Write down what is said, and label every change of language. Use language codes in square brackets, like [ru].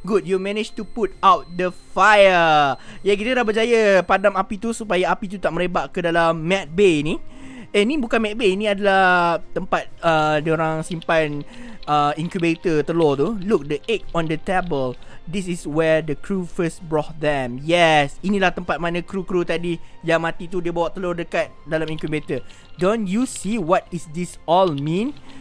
[en] Good, you managed to put out the fire. [ms] Ya, kita dah berjaya padam api tu supaya api tu tak merebak ke dalam Mad Bay ni. Ni bukan Mad Bay, ni adalah tempat diorang simpan incubator telur tu. [en] Look, the egg on the table. This is where the crew first brought them. Yes, [ms] inilah tempat mana kru-kru tadi yang mati tu, dia bawa telur dekat dalam incubator. [en] Don't you see what is this all mean?